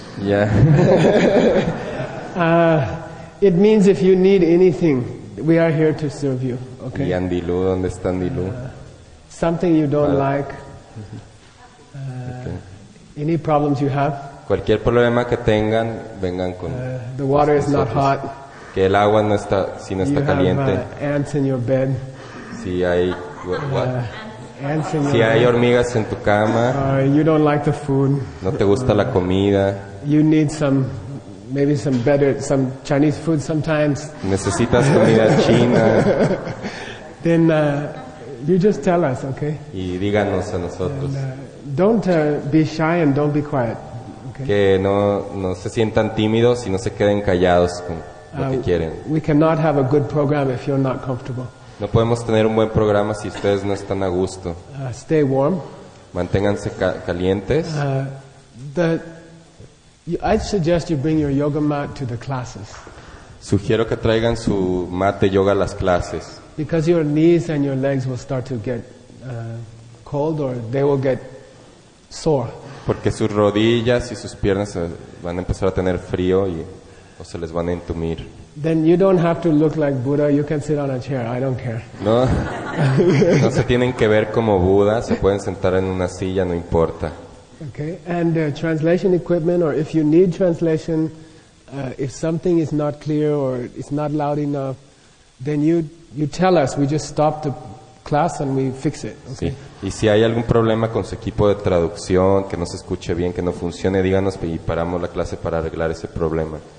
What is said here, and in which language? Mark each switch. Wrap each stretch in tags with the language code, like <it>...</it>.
<en>Yeah. It means if you need anything, we are here to serve you. Okay.</en> <es>¿Y Andilu? ¿Dónde está Andilu?</es> <en>Something you don't like. Any problems you have?</en> <es>Cualquier problema que tengan, vengan con</es> <en>the water is not hot.</en> <es>Que el agua no está, si no está caliente.</es> <en>You have ants in your bed.</en> <es>Si hay,</es> <en>ants in</en> <es>si hay hormigas en tu cama.</es> <en>You don't like the food.</en> <es>No te gusta la comida.</es> <en>You need some, maybe some better, some Chinese food sometimes.</en> <es>Necesitas comida china.</es> <en>Then you just tell us, okay?</en> <es>Y díganos a nosotros.</es> <en>And, don't be shy and don't be quiet. Okay?</en> <es>Que no se sientan tímidos y no se queden callados con lo que quieren.</es> <en>We cannot have a good program if you're not comfortable.</en> <es>No podemos tener un buen programa si ustedes no están a gusto.</es> <en>Stay warm.</en> <es>Manténganse calientes.</es> <en>I suggest you bring your yoga mat to the classes.</en> <es>Sugiero que traigan su mat de yoga a las clases.</es> <en>Because your knees and your legs will start to get cold, or they will get sore.</en> <es>Porque sus rodillas y sus piernas van a empezar a tener frío y o se les van a entumir.</es> <en>Then you don't have to look like Buddha. You can sit on a chair. I don't care.</en> <es>No. No se tienen que ver como Buda. Se pueden sentar en una silla. No importa.</es> <en>Okay. And translation equipment, or if you need translation, if something is not clear or it's not loud enough, then you tell us. We just stop the class and we fix it. Okay.</en> <es>Sí. Y si hay algún problema con su equipo de traducción, que no se escuche bien, que no funcione, díganos y paramos la clase para arreglar ese problema.</es>